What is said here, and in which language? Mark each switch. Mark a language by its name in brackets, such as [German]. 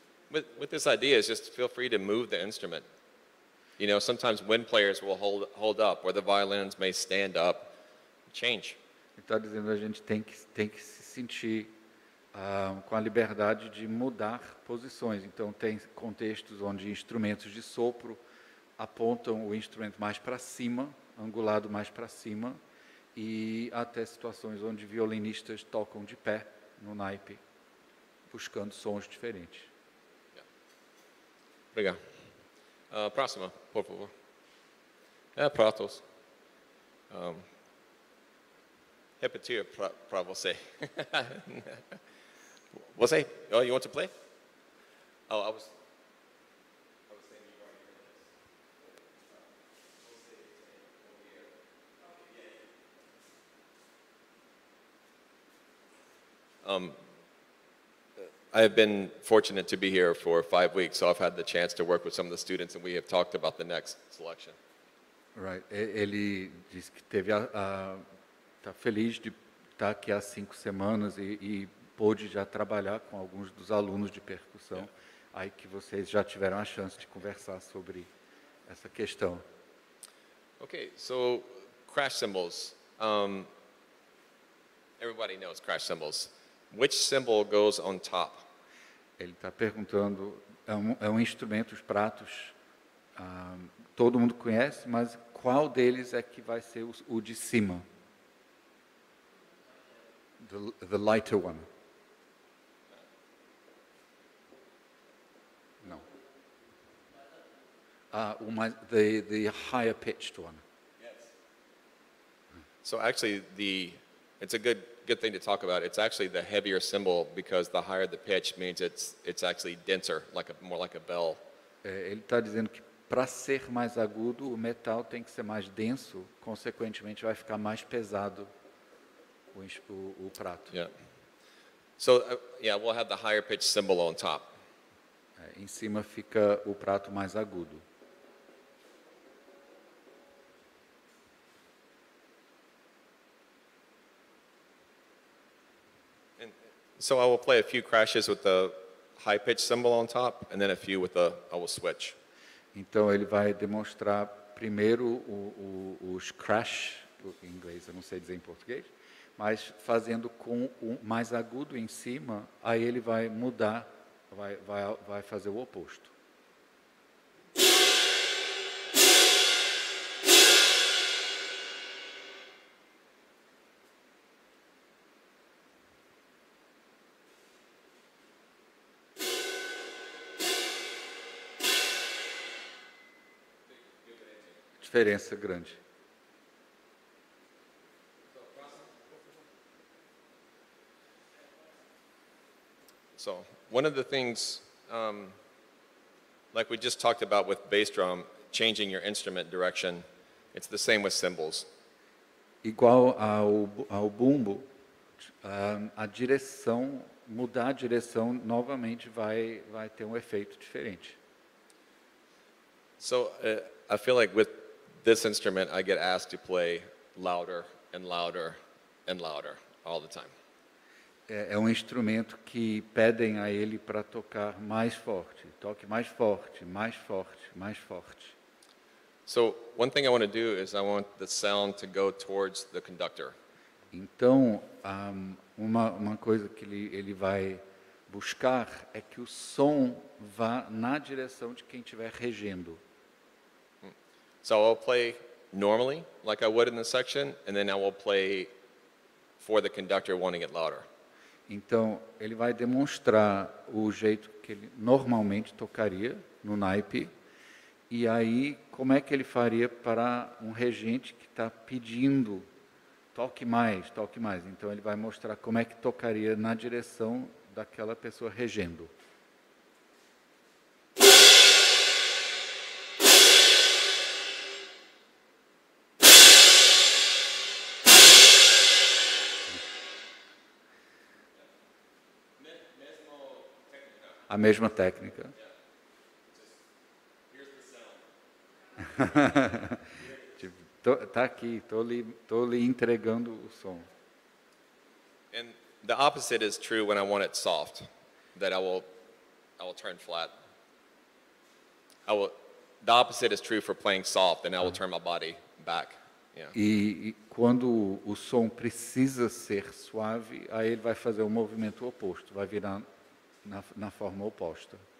[English] With this idea is just feel free to move the instrument. You know, sometimes wind players will hold up, or the violins may stand up, change. [Portuguese] Então, dizendo, a gente tem que se sentir com a liberdade de mudar posições. Então, tem contextos onde instrumentos de sopro apontam o instrumento mais para cima, angulado mais para cima, e até situações onde violinistas tocam de pé no naipe, buscando sons diferentes. Obrigado. Próxima, por favor. É, Pratos. Repetir para você. Você? [English] Oh, you want to play? Oh, I was I have been fortunate to be here for 5 weeks, so I've had the chance to work with some of the students, and we have talked about the next selection. Right. [Portuguese] Ele disse que teve tá feliz de estar aqui há 5 semanas e pôde já trabalhar com alguns dos alunos de percussão. [English] Yeah. [Portuguese] Aí que vocês já tiveram a chance de conversar sobre essa questão. [English] Okay. So, crash cymbals. Everybody knows crash cymbals. Which symbol goes on top? [Portuguese] Ele está perguntando, é um instrumento, os pratos, todo mundo conhece, mas qual deles é que vai ser o de cima? [English] The lighter one. [Portuguese] Não. [English] The higher pitched one. Yes. So actually, it's a good thing to talk about. It's actually the heavier cymbal because the higher the pitch means it's actually denser, more like a bell. [Portuguese] Ele está dizendo que para ser mais agudo o metal tem que ser mais denso, consequentemente vai ficar mais pesado o prato. [English] Yeah. So yeah, we'll have the higher pitch cymbal on top. [Portuguese] Em cima fica o prato mais agudo. [English] So I will play a few crashes with the high pitch cymbal on top, and then a few with the I will switch. [Portuguese] Então ele vai demonstrar primeiro os crash, em inglês, eu não sei dizer em português, mas fazendo com o mais agudo em cima, aí ele vai mudar, vai fazer o oposto. Diferença grande. [English] So, one of the things, like we just talked about with bass drum, changing your instrument direction, it's the same with cymbals. [Portuguese] Igual ao bumbo, a direção, mudar a direção novamente vai ter um efeito diferente. [English] So, I feel like with this instrument, I get asked to play louder and louder and louder all the time. [Portuguese] É um instrumento que pedem a ele para tocar mais forte. Toque mais forte, mais forte, mais forte. [English] So, one thing I want to do is I want the sound to go towards the conductor. [Portuguese] Então, uma coisa que ele vai buscar é que o som vá na direção de quem estiver regendo. [English] So I'll play normally, like I would in the section, and then I will play for the conductor wanting it louder. [Portuguese] Então, ele vai demonstrar o jeito que ele normalmente tocaria no naipe, e aí como é que ele faria para um regente que está pedindo toque mais, então ele vai mostrar como é que tocaria na direção daquela pessoa regendo. A mesma técnica. Tá aqui, tô lhe entregando o som. [English] And the opposite is true when I want it soft, that I will I will turn flat. I will, the opposite is true for playing soft, and I will turn my body back. Yeah. [Portuguese] E quando o som precisa ser suave, aí ele vai fazer um movimento oposto, vai virar na forma oposta.